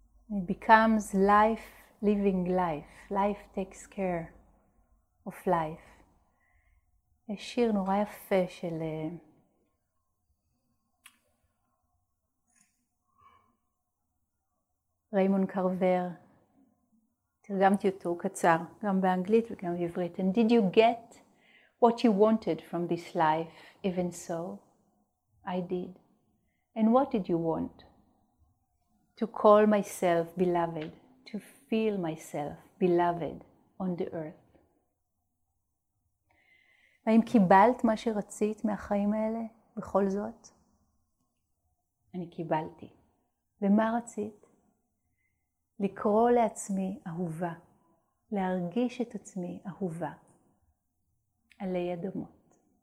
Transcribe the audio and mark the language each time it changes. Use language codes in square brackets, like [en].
[en] It becomes life living life. Life takes care of life. [he] יש שיר נורא יפה של ריימון קרבר, תרגמתי אותו קצר, גם באנגלית וגם בעברית. [en] And did you get what you wanted from this life, even so? I did. And what did you want? To call myself beloved, to feel myself beloved on the earth. [he] האם קיבלת מה שרצית מהחיים האלה בכל זאת? אני קיבלתי. ומה רצית? לקרוא לעצמי אהובה, להרגיש את עצמי אהובה, עלי אדמות.